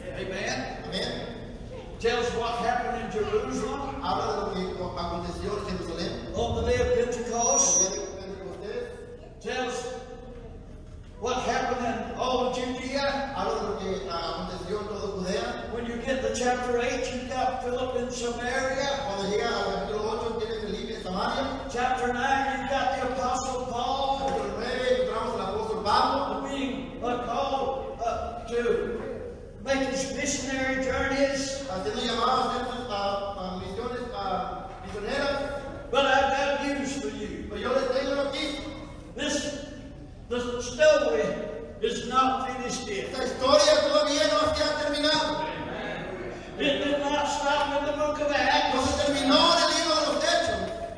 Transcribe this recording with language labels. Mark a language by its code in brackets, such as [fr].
[en] Amen. [es] Amen. [en] Tells what happened in Jerusalem. [es] Habla de lo que aconteció en Jerusalén. [en] On the day of Pentecost. [es] El día de Pentecostés. [en] Tells what happened in all of Judea. [es] Habla de lo que aconteció en todo Judea. [en] When you get to chapter 8, you've got Philip in Samaria. [es] Cuando llega al capítulo 8, tiene Felipe en Samaria. [en] Chapter 9, you've got the Apostle Paul. [es] Capítulo 9, encontramos al Apóstol Pablo. [en] Being called to make his missionary journeys. [es] Haciendo llamadas a sus misiones misioneras. [en] But I've got news for you. [es] Pero yo les tengo aquí. [en] The story is not finished yet. [es] La historia todavía no se ha terminado. [en] Amen. It did not stop in the book of Acts. [es] No se terminó en el libro de los Hechos.